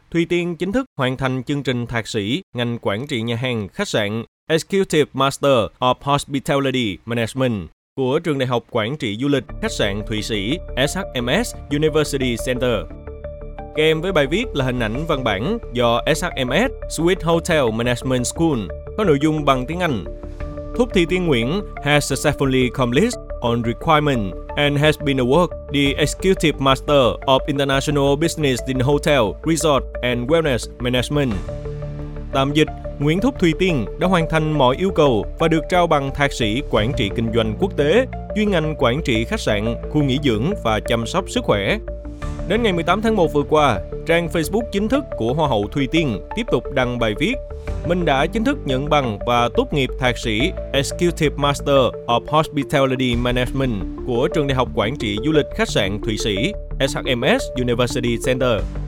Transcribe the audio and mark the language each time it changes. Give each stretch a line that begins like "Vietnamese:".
Vietnamese: Thùy Tiên chính thức hoàn thành chương trình thạc sĩ ngành quản trị nhà hàng khách sạn Executive Master of Hospitality Management của Trường Đại học Quản trị Du lịch Khách sạn Thụy Sĩ SHMS University Center. Kèm với bài viết là hình ảnh văn bản do SHMS Swiss Hotel Management School có nội dung bằng tiếng Anh.
English: Thúc Thùy Tiên Nguyễn has successfully completed on requirement and has been awarded the Executive Master of International Business in Hotel, Resort and Wellness Management.
Vietnamese: Tạm dịch, Nguyễn Thúc Thùy Tiên đã hoàn thành mọi yêu cầu và được trao bằng thạc sĩ quản trị kinh doanh quốc tế, chuyên ngành quản trị khách sạn, khu nghỉ dưỡng và chăm sóc sức khỏe. Đến ngày 18 tháng 1 vừa qua, trang Facebook chính thức của Hoa hậu Thùy Tiên tiếp tục đăng bài viết Mình đã chính thức nhận bằng và tốt nghiệp thạc sĩ Executive Master of Hospitality Management của Trường Đại học Quản trị Du lịch Khách sạn Thụy Sĩ SHMS University Center.